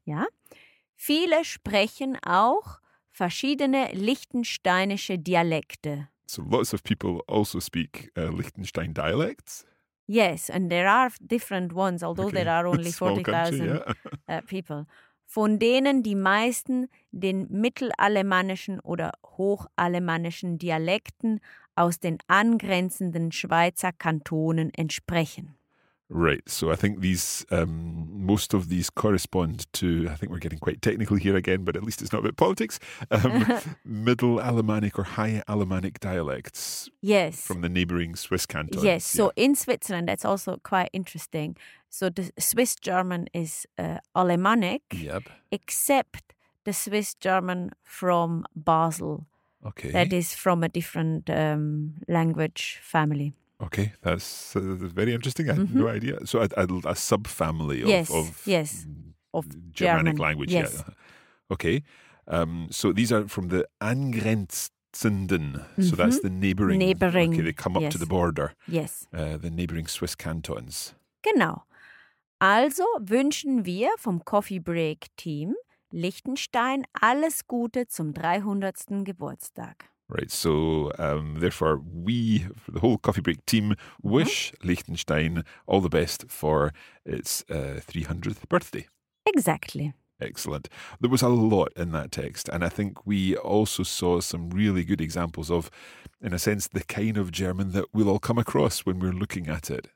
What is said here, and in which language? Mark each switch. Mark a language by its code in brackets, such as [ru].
[de] Yeah. Viele sprechen auch verschiedene liechtensteinische Dialekte. [en] So lots of people also speak Liechtenstein dialects. Yes, and there are different ones, although there are only 40,000 people. [de] Von denen die meisten den mittelalemannischen oder hochalemannischen Dialekten aus den angrenzenden Schweizer Kantonen entsprechen. [en] Right, so I think these, most of these correspond to, I think we're getting quite technical here again, but at least it's not about politics, Middle Alemannic or High Alemannic dialects. Yes. From the neighbouring Swiss cantons. Yes, yeah. So in Switzerland, that's also quite interesting. So the Swiss German is Alemannic, yep. Except the Swiss German from Basel. Okay. That is from a different language family. Okay, that's very interesting. I had no idea. So a subfamily of of Germanic language. Yes. Yeah. Okay. So these are from the angrenzenden. Mm-hmm. So that's the neighboring. Okay, they come up to the border. Yes. The neighboring Swiss cantons. [de] Genau. Also wünschen wir vom Coffee Break Team Liechtenstein alles Gute zum 300. Geburtstag. [en] Right, so therefore we, the whole Coffee Break team, wish Liechtenstein all the best for its 300th birthday. Exactly. Excellent. There was a lot in that text, and I think we also saw some really good examples of, in a sense, the kind of German that we'll all come across when we're looking at it.